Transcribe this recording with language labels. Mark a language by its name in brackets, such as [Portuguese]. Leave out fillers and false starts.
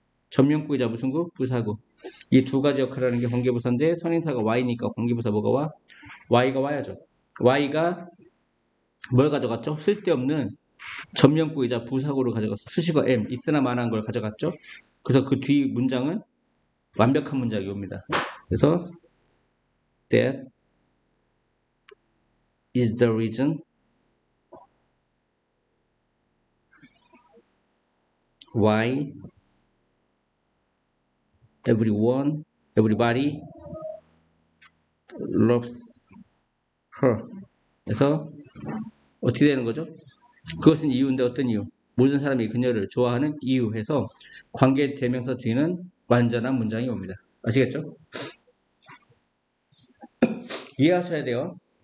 [Korean] 점령구이자 무슨 구? 부사구. 이두 가지 역할을 하는 게 관계부사인데 선행사가 Y니까 관계부사 뭐가 와? Y가 와야죠. Y가 뭘 가져갔죠? 쓸데없는 점령구이자 부사구를 가져갔어. 수식어 M, 있으나 마나한 걸 가져갔죠. 그래서 그뒤 문장은 완벽한 문장이 옵니다. 그래서 [English] That is the reason why everybody loves her. [Korean] 그래서 어떻게 되는 거죠? 그것은 이유인데 어떤 이유? 모든 사람이 그녀를 좋아하는 이유 해서 관계 대명사 뒤에는 완전한 문장이 옵니다. 아시겠죠? 이해하셔야 돼요.